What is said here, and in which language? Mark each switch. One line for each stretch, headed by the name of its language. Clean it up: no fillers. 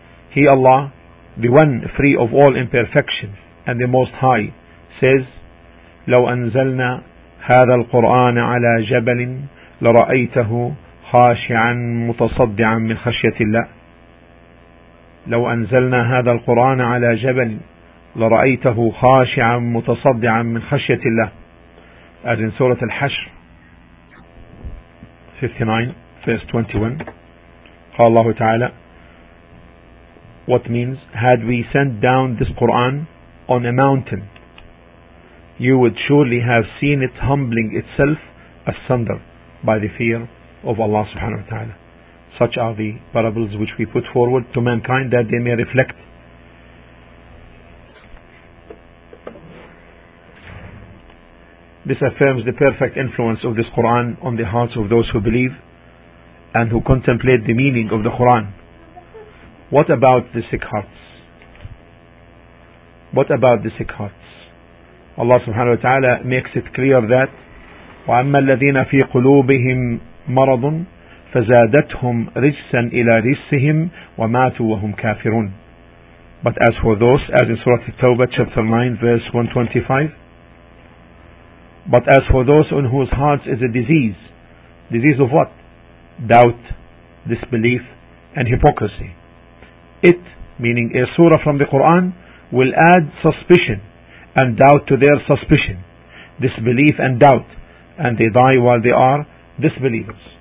English: He Allah, the one free of all imperfection and the most high, says,
Arabic: لو أنزلنا هذا القرآن على جبل لرأيته خاشعا متصدعا من خشية الله. لو أنزلنا هذا القرآن على جبل لرأيته خاشعا متصدعا من خشية الله.
English: As in Surah Al-Hashr 59 verse 21,
Arabic: قال الله تعالى,
English: what means, had we sent down this Quran on a mountain, you would surely have seen it humbling itself asunder by the fear of Allah subhanahu wa ta'ala. Such are the parables which we put forward to mankind that they may reflect. This affirms the perfect influence of this Quran on the hearts of those who believe and who contemplate the meaning of the Quran. What about the sick hearts? What about the sick hearts? Allah subhanahu wa ta'ala makes it clear that
Arabic: وَأَمَّا الَّذِينَ فِي قُلُوبِهِمْ مَرَضٌ فَزَادَتْهُمْ رِجْسًا إِلَى رِجْسِهِمْ وَمَاتُوا وَهُمْ كَافِرُونَ.
English: But as for those, as in Surah At-Tawbah chapter 9 verse 125, but as for those on whose hearts is a disease, disease of what? Doubt, disbelief, and hypocrisy. It, meaning a surah from the Quran, will add suspicion and doubt to their suspicion, disbelief and doubt, and they die while they are disbelievers.